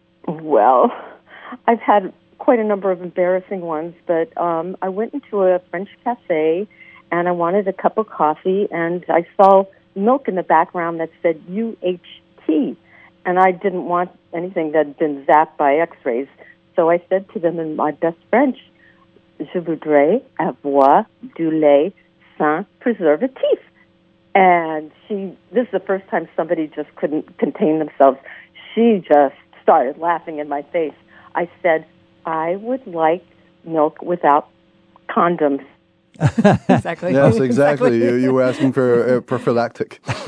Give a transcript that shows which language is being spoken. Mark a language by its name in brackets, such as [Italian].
[English] Well, I've had quite a number of embarrassing ones, but I went into a French cafe and I wanted a cup of coffee and I saw milk in the background that said UHT, and I didn't want anything that had been zapped by x-rays. So I said to them in my best French, [French] je voudrais avoir du lait sans préservatif. [English] And this is the first time somebody just couldn't contain themselves. She just started laughing in my face. I said, I would like milk without condoms. Exactly. Yes, exactly. You were asking for a prophylactic.